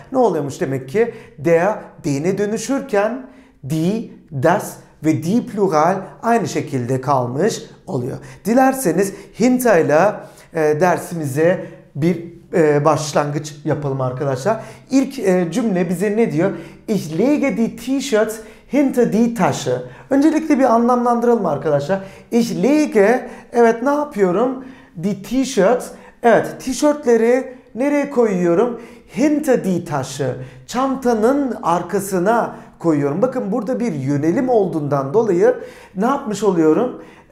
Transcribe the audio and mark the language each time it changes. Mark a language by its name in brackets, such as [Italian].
[Turkish] Ne oluyormuş demek ki? Der, die'ne dönüşürken die, das ve die Plural aynı şekilde kalmış oluyor. Dilerseniz hinterla dersimize bir başlangıç yapalım arkadaşlar. İlk cümle bize ne diyor? [German] Ich lege die T-shirt hinter die Tasche. [Turkish] Öncelikle bir anlamlandıralım arkadaşlar. [German] Ich lege, [Turkish] evet ne yapıyorum? [German] Die T-shirt, [Turkish] evet T-shirtleri nereye koyuyorum? [German] Hinter die Tasche. [Turkish] Çantanın arkasına koyuyorum. Bakın burada bir yönelim olduğundan dolayı ne yapmış oluyorum?